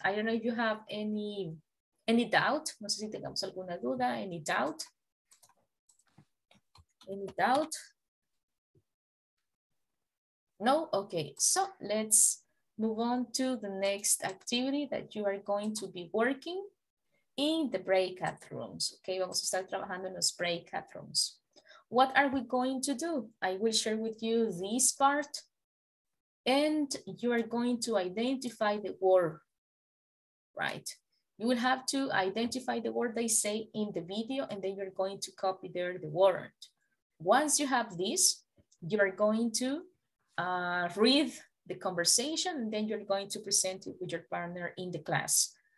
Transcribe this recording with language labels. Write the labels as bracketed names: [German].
[English] I don't know if you have any doubt. [Spanish] No sé si tengamos alguna duda, [English] any doubt? No? Okay, so let's move on to the next activity that you are going to be working in the breakout rooms. [Spanish] Okay, vamos a estar trabajando en los breakout rooms. [English] What are we going to do? I will share with you this part and you are going to identify the word, right? You will have to identify the word they say in the video and then you're going to copy there the word. Once you have this, you are going to read the conversation and then you're going to present it with your partner in the class.